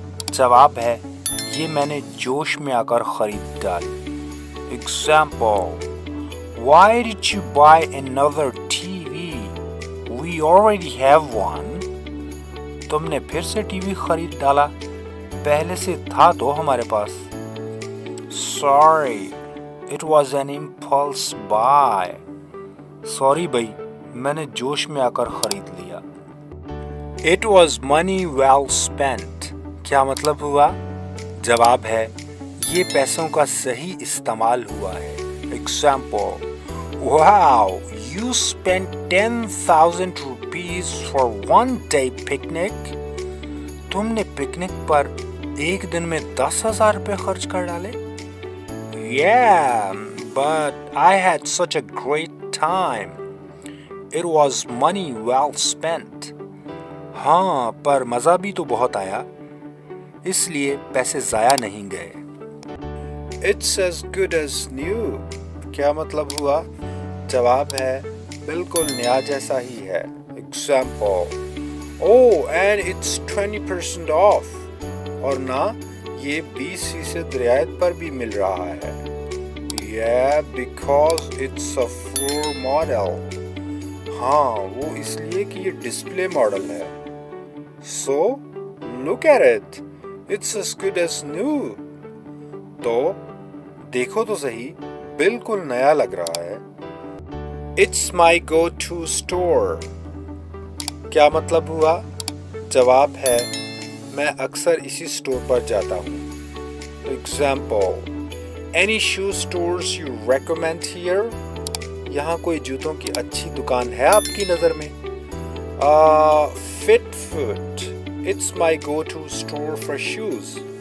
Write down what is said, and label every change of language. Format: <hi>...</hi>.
<hi>जवाब है, ये मैंने जोश में आकर खरीद डाली.</hi> <en>Example. Why did you buy another TV? We already have one.</en> <hi>तुमने फिर से टीवी खरीद डाला? पहले से था तो हमारे पास. Sorry.</hi> <en>It was an impulse buy.</en> <hi>Sorry भाई, मैंने जोश में आकर खरीद लिया.</hi> <en>It was money well spent.</en> <hi>क्या मतलब हुआ? जवाब है, ये पैसों का सही इस्तेमाल हुआ है.</hi> <en>Example: Wow, you spent 10,000 rupees for one day picnic.</en> <hi>तुमने पिकनिक पर एक दिन में 10,000 रुपए खर्च कर डाले.</hi> <en>Yeah, but I had such a great time. It was money well spent.</en> <hi>हाँ, पर मजा भी तो बहुत आया, इसलिए पैसे जाया नहीं गए.</hi> <en>It's as good as new.</en> <hi>क्या मतलब हुआ? जवाब है, बिल्कुल नया जैसा ही है.</hi> <en>Example: Oh, and it's 20% off.</en> <hi>और ना, ये 20% रियायत पर भी मिल रहा है.</hi> <en>Yeah, because it's a floor model.</en> <hi>हाँ, वो इसलिए कि ये डिस्प्ले मॉडल है.</hi> <en>So, look at it. It's as good as new.</en> <hi>तो, देखो तो सही, बिल्कुल नया लग रहा है.</hi> <en>It's my go-to store.</en> <hi>क्या मतलब हुआ? जवाब है, मैं अक्सर इसी स्टोर पर जाता हूँ.</hi> <en>Example: Any shoe stores you recommend here?</en> <hi>यहाँ कोई जूतों की अच्छी दुकान है आपकी नजर में?</hi> <en>Fitfoot. It's my go-to store for shoes.</en>